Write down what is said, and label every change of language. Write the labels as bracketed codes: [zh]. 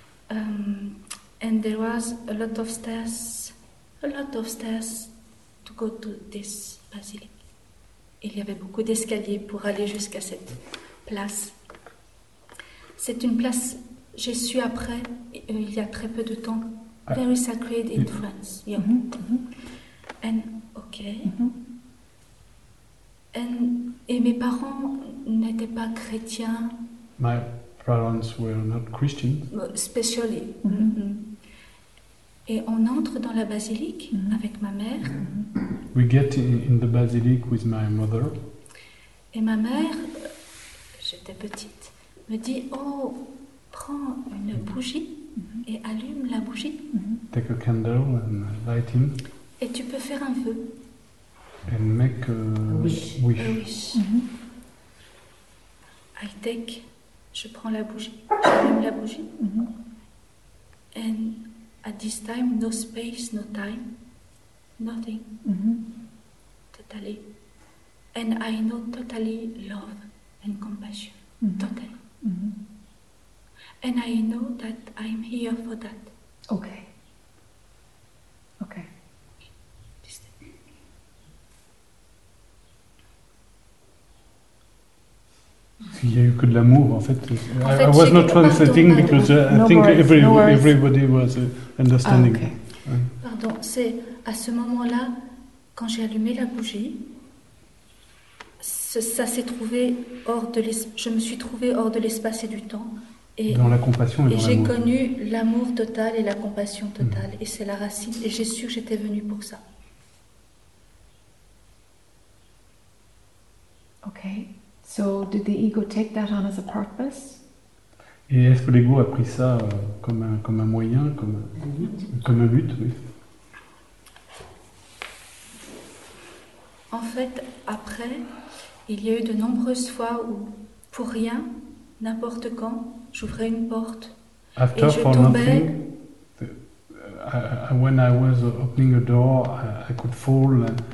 [en] So, and there was a lot of stairs to go to this basilica. [fr] Il y avait beaucoup d'escaliers pour aller jusqu'à cette place. C'est une place, j'ai su après, il y a très peu de temps, [en] very sacred in France. Yeah. Mm-hmm. Mm-hmm. And, okay. Mm-hmm. [fr] Et mes parents n'étaient pas chrétiens. [en] My parents were not Christian. Especially. Mm-hmm. Mm-hmm. [fr] Et on entre dans la basilique mm-hmm. avec ma mère. Mm-hmm. [en] We get in the basilic with my mother. [fr] Et ma mère, j'étais petite, me dit, oh, prends une bougie mm-hmm. et allume la bougie. [en] Mm-hmm. Take a candle and light it. [fr] Et tu peux faire un vœu. [en] And make a wish. [fr] Mm-hmm. Je prends la bougie. J'allume la bougie. Mm-hmm. [en] And at this time, no space, no time, nothing. Mm-hmm. Totally. And I know totally love and compassion. Mm-hmm. Totally. Mm-hmm. And I know that I'm here for that. Okay. Okay. [fr] Il n'y a eu que de l'amour, en fait. [en] I was not translating because I think everybody was understanding. Ah, okay. [fr] pardon, c'est à ce moment-là, quand j'ai allumé la bougie, ça s'est trouvé hors de l'espace, je me suis trouvée hors de l'espace et du temps. Et dans la compassion et dans j'ai l'amour. Connu l'amour total et la compassion totale. Mmh. Et c'est la racine. Et j'ai su que j'étais venue pour ça. Ok. [en] So, did the ego take that on as a purpose? [fr] Et est-ce que l'ego a pris ça comme un moyen, comme un but, oui. En fait, après, il y a eu de nombreuses fois où, pour rien, n'importe quand, j'ouvrais une porte [en] after [fr] et je tombais. [en] Nothing, when I was opening a door, I could fall.